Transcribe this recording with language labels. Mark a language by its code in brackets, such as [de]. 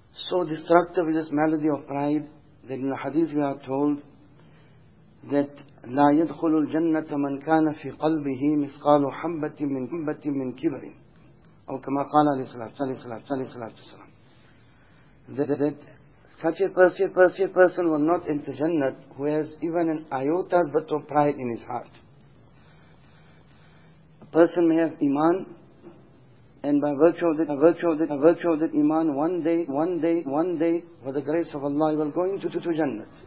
[en] So destructive is this malady of pride that in the hadith we are told that [ar] لا يدخل الجنة من كان في قلبه مثقال حبة من حبة من كبر. أو كما قال عليه الصلاة والسلام. [en] That such a person will not enter Jannah who has even an iota's bit of pride in his heart. A person may have iman, and by virtue of that, iman, one day, for the grace of Allah, he will go into to Jannah.